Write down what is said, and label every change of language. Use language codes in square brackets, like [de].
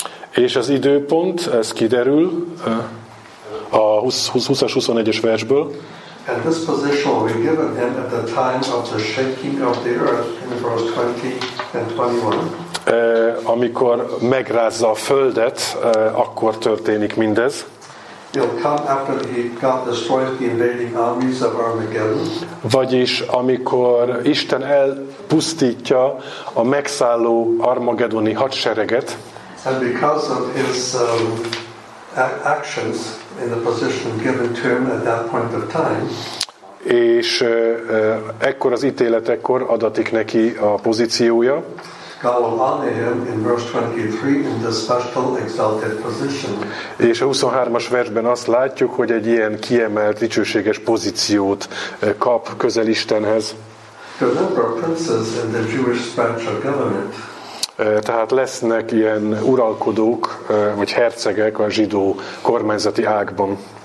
[hu] És az időpont, ez kiderül a 20-21-es versből. [en] And this position will be given him at the time of the shaking of the earth in verse 20 and 21. [hu] Amikor megrázza a földet, akkor történik mindez. [en] He'll come after he got destroyed the invading armies of Armageddon. [hu] Vagyis amikor Isten elpusztítja a megszálló armagedoni hadsereget. [en] And because of his actions in the position given to him at that point of time. [hu] És ekkor az ítéletekkor adatik neki a pozíciója. [en] God will honor him in verse 23 in the special exalted position. [hu] És a 23-as versben azt látjuk, hogy egy ilyen kiemelt, dicsőséges pozíciót kap közel Istenhez. [en] Remember princes in the Jewish special government. [hu] Tehát lesznek ilyen uralkodók, vagy hercegek a zsidó kormányzati ágban.